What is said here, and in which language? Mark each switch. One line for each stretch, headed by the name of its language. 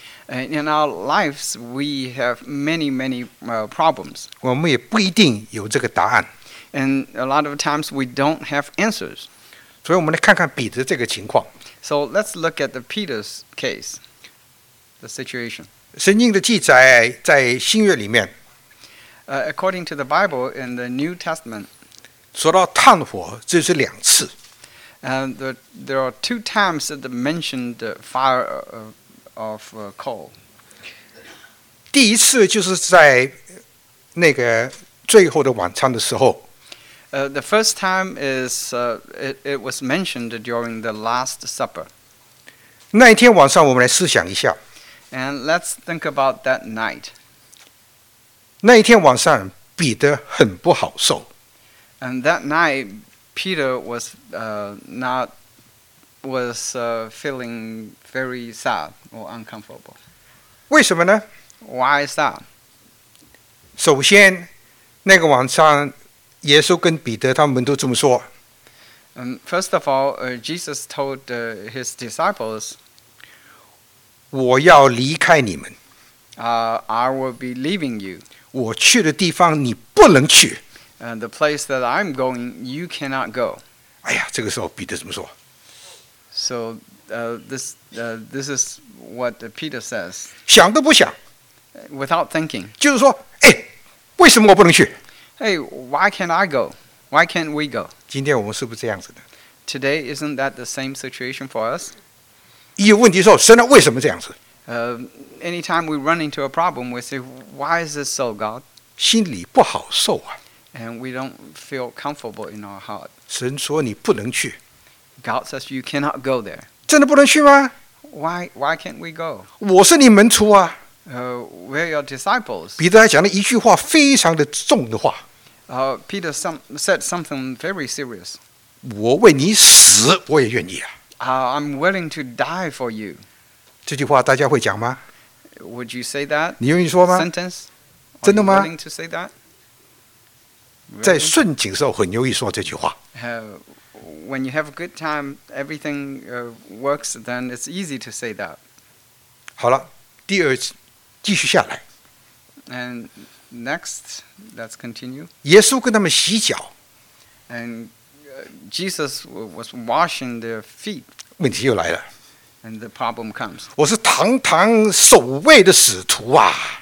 English: And in our lives, we have many, many problems.
Chinese: 我们也不一定有这个答案。
English: And a lot of times we don't have answers.
Chinese: 所以我们来看看彼得这个情况。
English: So let's look at the Peter's case, the situation.
Chinese: 圣经的记载在新约里面。
English: According to the Bible in the New Testament,
Chinese: 说到炭火，这是两次。
English: And there are two times that they mentioned the fire of coal.
Chinese: 第一次就是在那个最后的晚餐的时候。
English: The first time is it was mentioned during the Last Supper.
Chinese: 那一天晚上，我们来思想一下。
English: And let's think about that night.
Chinese: 那一天晚上彼得很不好受。
English: And that night, Peter was feeling very sad or uncomfortable.
Chinese: 为什么呢？
English: Why is that?
Chinese: 首先，那个晚上耶稣跟彼得他们都这么说。
English: First of all, Jesus told his disciples,
Chinese: 我要离开你们。
English: I will be leaving you.
Chinese: 我去的地方你不能去。
English: The place that I'm going, you cannot go.
Chinese: 哎呀，这个时候彼得怎么说？
English: So, this is what Peter says.
Chinese: 想都不想。
English: Without thinking.
Chinese: 就是说，哎，为什么我不能去？
English: Hey, why can't I go? Why can't we go?
Chinese: 今天我们是不是这样子的？
English: Today, isn't that the same situation for us?
Chinese: 一有问题的时候，神啊，为什么这样子？
English: Anytime we run into a problem, we say, why is this so, God?
Chinese: 心里不好受啊。
English: And we don't feel comfortable in our heart.
Chinese: 神说你不能去。
English: God says you cannot go there.
Chinese: 真的不能去吗？
English: Why can't we go?
Chinese: 我是你门徒啊。
English: We're your disciples.
Chinese: 彼得还讲了一句话非常的重的话。
English: Peter said something very serious.
Chinese: 我为你死我也愿意啊。
English: I'm willing to die for you.
Chinese: 这句话大家会讲吗？
English: Would you say that?
Chinese: 你愿意说吗？
English: Sentence?
Chinese: 真的吗？
English: Willing to say that?
Chinese: 在顺境时候很容易说这句话。
English: When you have a good time, everything works, then it's easy to say that.
Chinese: 好了，第二次，继续下来。
English: And next, let's continue.
Chinese: 耶稣跟他们洗脚。
English: And Jesus was washing their feet.
Chinese: 问题又来了。
English: And the problem comes.
Chinese: 我是堂堂守卫的使徒啊。